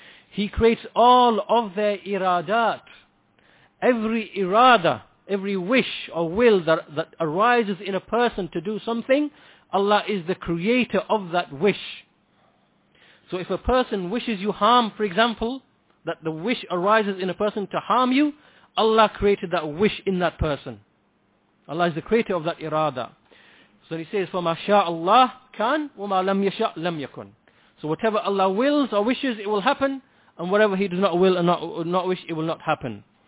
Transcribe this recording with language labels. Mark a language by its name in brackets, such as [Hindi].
[English] He creates all of their iradat. Every irada, every wish or will that arises in a person to do something, Allah is the creator of that wish. So if a person wishes you harm, for example, that the wish arises in a person to harm you, Allah created that wish in that person. Allah is the creator of that irada. So he says, [Arabic] فَمَا شَاءَ اللَّهُ كَانْ وَمَا لَمْ يَشَاءَ لَمْ يَكُنْ. [English] So whatever Allah wills or wishes, it will happen, and whatever He does not will and not wish, it will not happen.